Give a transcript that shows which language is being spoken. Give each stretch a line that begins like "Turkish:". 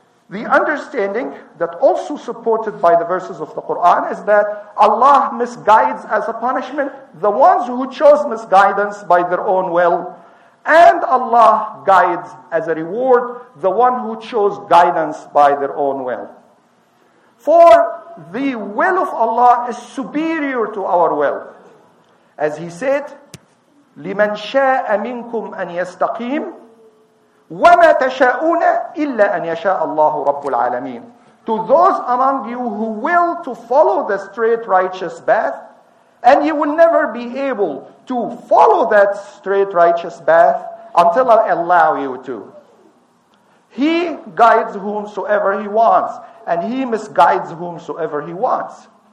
English: The understanding that also supported by the verses of the Quran is that Allah misguides as a punishment the ones who chose misguidance by their own will, and Allah guides as a reward the one who chose guidance by their own will. For the will of Allah is superior to our will. As he said,
Arabic: لِمَنْ شَاءَ مِنْكُمْ أَنْ يَسْتَقِيمُ وَمَا تَشَاءُونَ إِلَّا أَنْ يَشَاءَ اللَّهُ رَبُّ الْعَالَمِينَ.
English: To those among you who will to follow the straight righteous path, and you will never be able to follow that straight righteous path until I allow you to. He guides whomsoever he wants, and he misguides whomsoever he wants.